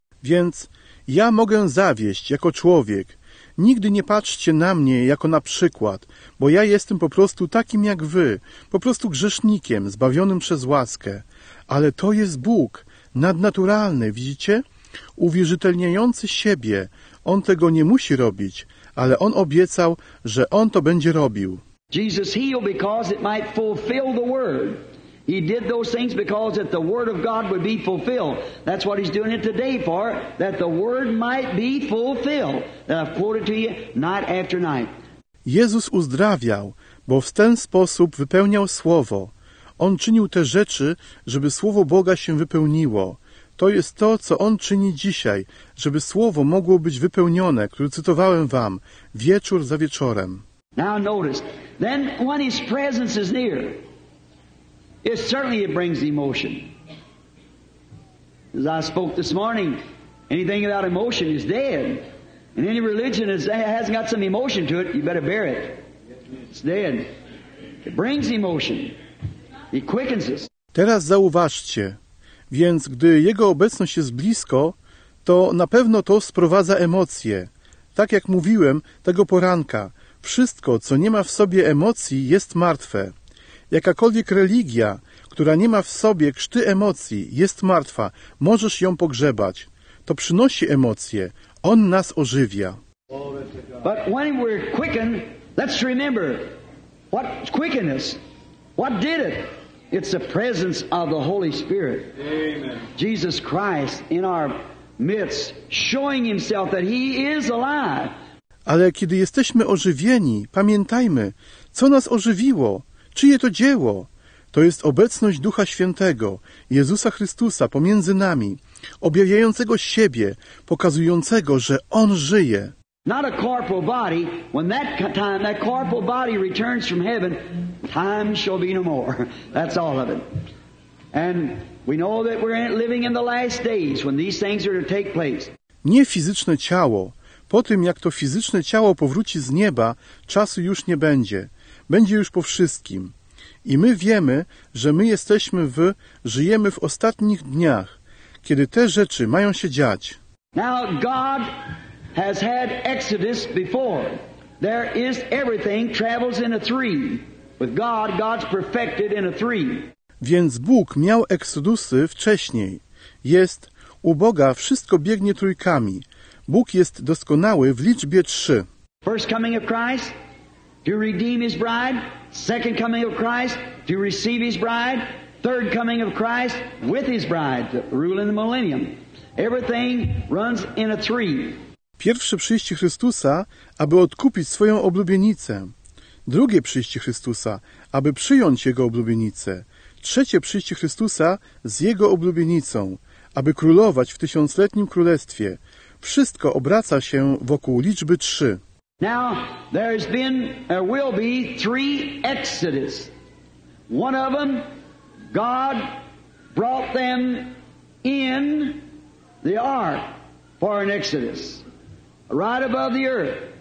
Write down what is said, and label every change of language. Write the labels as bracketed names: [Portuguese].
[Polish] Więc ja mogę zawieść jako człowiek. Nigdy nie patrzcie na mnie jako na przykład, bo ja jestem po prostu takim jak wy, po prostu grzesznikiem, zbawionym przez łaskę. Ale to jest Bóg, nadnaturalny, widzicie? Uwierzytelniający siebie. On tego nie musi robić, ale On obiecał, że On to będzie robił. [English] Jesus healed because it might fulfill the word. He did those things because that the word of God would be fulfilled. That's what he's doing it today for, that the word might be fulfilled. That I've quoted to you night after night. [Polish] Jezus uzdrawiał, bo w ten sposób wypełniał słowo. On czynił te rzeczy, żeby słowo Boga się wypełniło. To jest to, co On czyni dzisiaj, żeby słowo mogło być wypełnione, które cytowałem wam, wieczór za wieczorem. [English] Now notice, then when his presence is near, it certainly it brings emotion. As I spoke this morning, anything without emotion is dead. And any religion hasn't got some emotion to it, you better bear it. It's dead. It brings emotion. It quickens us. [Polish] Teraz zauważcie, więc gdy Jego obecność jest blisko, to na pewno to sprowadza emocje. Tak jak mówiłem tego poranka, wszystko, co nie ma w sobie emocji, jest martwe. Jakakolwiek religia, która nie ma w sobie krzty emocji, jest martwa. Możesz ją pogrzebać. To przynosi emocje. On nas ożywia. [English] But when we're quickened, let's remember what quickened us. What did it? It's the presence of the Holy Spirit. Amen. Jesus Christ in our midst, showing himself that he is alive. [Polish] Ale kiedy jesteśmy ożywieni, pamiętajmy, co nas ożywiło? Czyje to dzieło? To jest obecność Ducha Świętego, Jezusa Chrystusa pomiędzy nami, objawiającego siebie, pokazującego, że On żyje. [English] Not a corporal body. When that time, that corporal body returns from heaven, time shall be no more. That's all of it. And we know that we're living in the last days when these things are to take place. [Polish] Nie fizyczne ciało. Po tym, jak to fizyczne ciało powróci z nieba, czasu już nie będzie. Będzie już po wszystkim. I my wiemy, że my jesteśmy w, żyjemy w ostatnich dniach, kiedy te rzeczy mają się dziać. [English] Now God has had Exodus before. There is everything travels in a three. With God, God's perfected in a three. [Polish] Więc Bóg miał Exodusy wcześniej. Jest, u Boga wszystko biegnie trójkami. Bóg jest doskonały w liczbie trzy. [English] First coming of Christ, to redeem his bride. Second coming of Christ, to receive his bride. Third coming of Christ, with his bride, to rule in the millennium. Everything runs in a three. [Polish] Pierwsze przyjście Chrystusa, aby odkupić swoją oblubienicę. Drugie przyjście Chrystusa, aby przyjąć Jego oblubienicę. Trzecie przyjście Chrystusa z Jego oblubienicą, aby królować w tysiącletnim królestwie. Wszystko obraca się wokół liczby trzy. [English] Now, there has been, there will be three exodus. One of them, God brought them in the ark for an exodus, right above the earth.